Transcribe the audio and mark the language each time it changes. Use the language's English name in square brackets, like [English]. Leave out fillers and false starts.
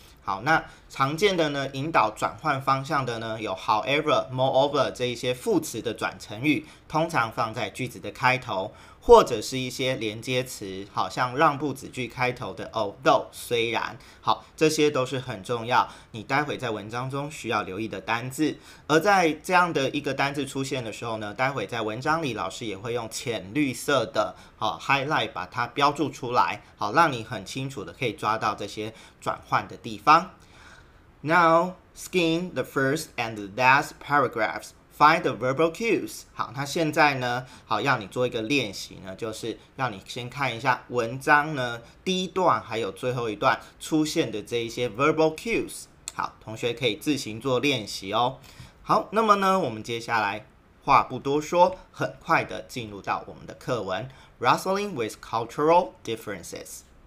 [Chinese] 好，那常见的呢，引导转换方向的呢，有 however、moreover 这一些副词的转成语，通常放在句子的开头，或者是一些连接词，好像让步子句开头的 although、虽然，好，这些都是很重要，你待会在文章中需要留意的单字。而在这样的一个单字出现的时候呢，待会在文章里老师也会用浅绿色的highlight 把它标注出来，好，让你很清楚的可以抓到这些转换的地方。 [English] Now, skim the first and the last paragraphs. Find the verbal cues. [Chinese] 好，那现在呢，好，要你做一个练习呢，就是让你先看一下文章呢，第一段还有最后一段出现的这一些 verbal cues。好，同学可以自行做练习哦。好，那么呢，我们接下来话不多说，很快的进入到我们的课文 Wrestling with Cultural Differences。